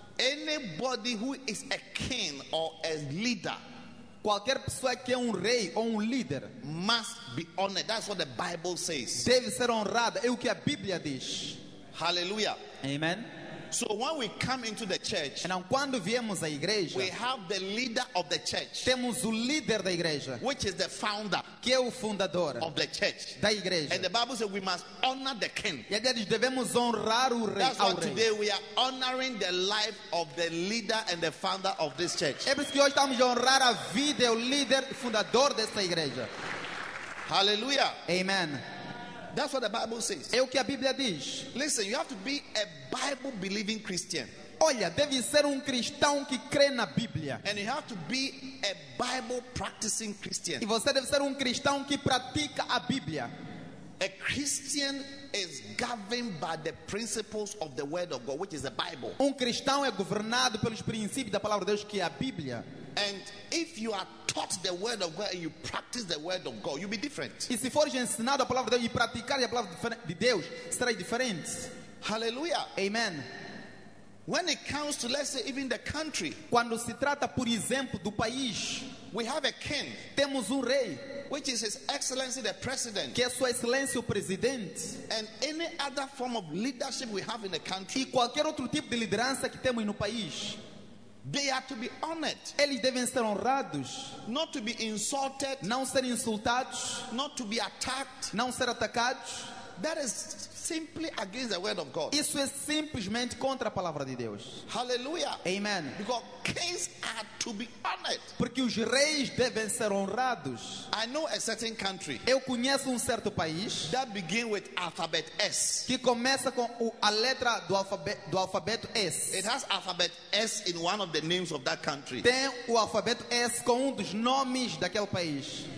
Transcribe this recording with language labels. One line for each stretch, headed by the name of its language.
English: Anybody who is a king or a leader.
Portuguese: Qualquer pessoa que é um rei ou um líder.
English: Must be honored. That's what the Bible says.
Portuguese: Deve ser honrado. É o que a Bíblia diz.
English: Hallelujah. Amen. So when we come into the church,
Portuguese: então, quando viemos à igreja,
English: we have the leader of the church,
Portuguese: temos o líder da igreja,
English: which is the founder,
Portuguese: que é o fundador
English: of the church,
Portuguese: da igreja.
English: And the Bible says we must honor the king.
Portuguese: E a Bíblia diz, devemos honrar o rei.
English: That's why today we are honoring the life of the leader and the founder of this church.
Portuguese: É por isso que hoje estamos a honrar a vida, o líder e fundador desta igreja.
English: Hallelujah. Amen. That's what the Bible says.
Portuguese: É o que a Bíblia diz.
English: Listen, you have to be a Bible believing Christian.
Portuguese: Olha, deve ser um cristão que crê na Bíblia.
English: And you have to be a Bible practicing Christian.
Portuguese: E você deve ser um cristão que pratica a Bíblia.
English: A Christian is governed by the principles of the word of God, which is the Bible.
Portuguese: Um cristão é governado pelos princípios da palavra de Deus, que é a Bíblia.
English: And if you are taught the word of God and you practice the word of God, you'll be different.
Portuguese: E se fores ensinado a palavra de Deus e praticar a palavra de Deus, será diferente.
English: Hallelujah. Amen. When it comes to, let's say, even the country,
Portuguese: quando se trata, por exemplo, do país,
English: we have a king,
Portuguese: temos rei,
English: which is His Excellency the President,
Portuguese: que é Sua Excelência o Presidente,
English: and any other form of leadership we have in the country,
Portuguese: e qualquer outro tipo de liderança que temos no país,
English: they are to be honored.
Portuguese: Eles devem ser honrados.
English: Not to be insulted.
Portuguese: Não ser insultados.
English: Not to be attacked.
Portuguese: Não ser atacados.
English: That is simply against the word of God.
Portuguese: Isso é simplesmente contra a palavra de Deus.
English: Hallelujah. Amen. Because kings are to be honored.
Portuguese: Porque os reis devem ser honrados.
English: I know a certain country.
Portuguese: Eu conheço certo país.
English: That begin with alphabet S.
Portuguese: Que começa com a letra do alfabeto S.
English: It has alphabet S in one of the names of that country.
Portuguese: Tem o alfabeto S com dos nomes daquele país.